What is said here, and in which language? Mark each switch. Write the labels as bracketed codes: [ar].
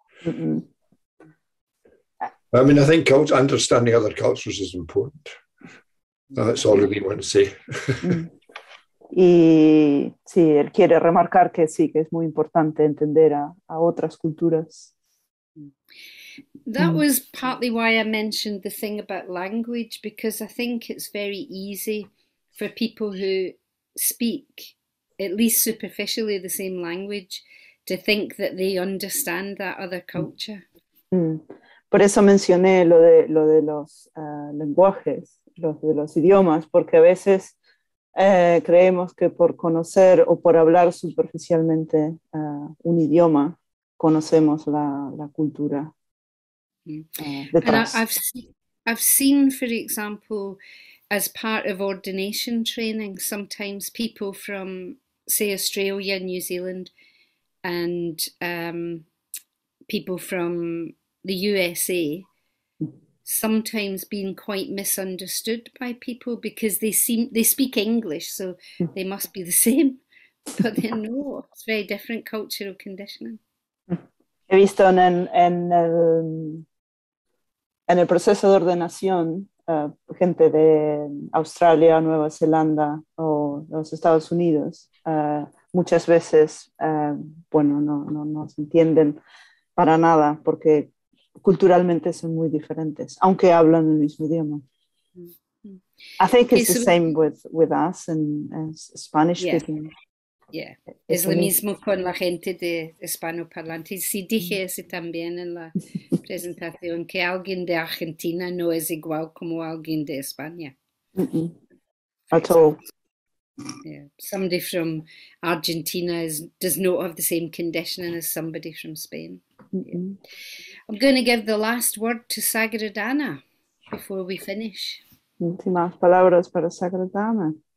[en] Yeah. Mm-mm. I mean, I think understanding other cultures is important. That's all I really want to say. [es] Y sí, él quiere remarcar que sí, que es muy importante entender a otras culturas. [en] That was partly why I mentioned the thing about language, because I think it's very easy for people who speak at least superficially the same language to think that they understand that other culture. [es] Por eso mencioné lo de los lenguajes, los de los idiomas, porque a veces creemos que por conocer o por hablar superficialmente un idioma conocemos la cultura detrás. [en] I've seen for example, as part of ordination training, sometimes people from, say, Australia, New Zealand, and people from the USA, sometimes being quite misunderstood by people because they speak English, so they must be the same, but they're not. It's very different cultural conditioning. [es] He visto en el proceso de ordenación. Gente de Australia, Nueva Zelanda o los Estados Unidos, muchas veces, no se entienden para nada porque culturalmente son muy diferentes, aunque hablan el mismo idioma. [en] I think it's the same with us and Spanish speaking. Yeah, yeah. [es] Es lo mismo con la gente de hispanoparlante. Sí, dije eso también en la presentación, que alguien de Argentina no es igual como alguien de España. [en] Mm-mm. At all. Yeah. Somebody from Argentina does not have the same conditioning as somebody from Spain. Yeah. I'm going to give the last word to Sagradana before we finish. [es] Últimas palabras para Sagradana.